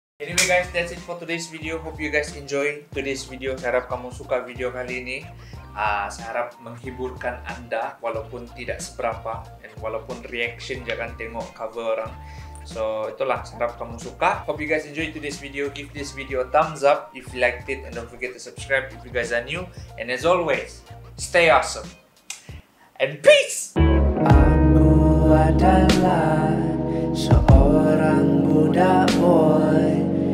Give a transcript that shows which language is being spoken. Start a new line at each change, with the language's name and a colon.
English: Today's video, hope you guys enjoy today's video.
Malay: Saya harap kamu suka video kali ini. Saya harap menghiburkan anda walaupun tidak seberapa, and walaupun reaction jangan tengok cover orang. So itulah, saya harap kamu suka.
English: Hope you guys enjoy today's video. Give this video a thumbs up if you liked it, and don't forget to subscribe if you guys are new. And as always, stay awesome and peace.
Malay: Aku adalah seorang budak boy.